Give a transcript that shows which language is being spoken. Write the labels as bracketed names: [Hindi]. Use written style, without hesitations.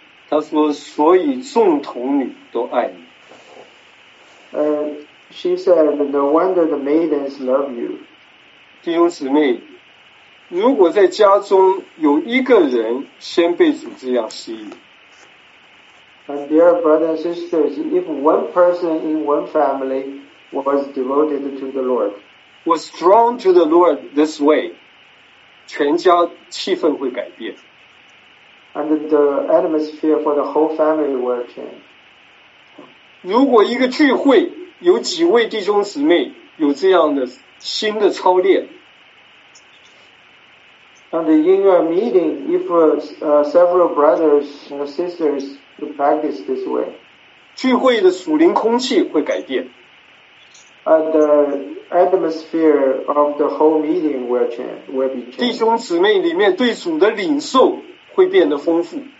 [Chinese] 他说，所以众童女都爱你。 [English] She said, no wonder the maidens love you. [Chinese] 弟兄姊妹，如果在家中有一个人先被主这样吸引。 [English] And dear brothers and sisters, if one person in one family was devoted to the Lord, was drawn to the Lord this way, [Chinese] 全家气氛会改变。 [English] And the atmosphere for the whole family will change. [Chinese] 如果一个聚会有几位弟兄姊妹有这样的新的操练。 [English] And in a meeting, if several brothers and sisters to practice this way. [Chinese] 聚会的属灵空气会改变。 [English] The atmosphere of the whole meeting will be changed. [Chinese] 弟兄姊妹里面对主的领受会变得丰富。